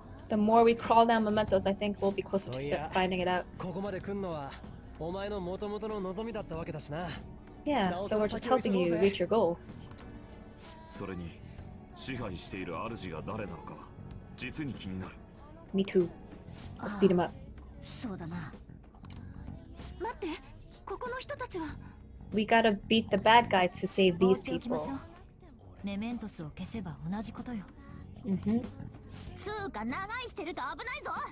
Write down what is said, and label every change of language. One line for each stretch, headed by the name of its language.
English: The more we crawl down mementos, I think we'll be closer to finding it out.
Japanese: ここまで来るのはお前の元々の望みだったわけだしな。
English: Yeah, so we're just helping you reach your goal.
Japanese: それに支配している主が誰なのか、実に気になる。
English: Me too. Let's beat him up.
Japanese: そうだな。待って、ここの人たちは。
English: We gotta beat the bad guy to save these people.
Japanese: メメントスを消せば同じことよ。通貨長いしてると危ないぞ。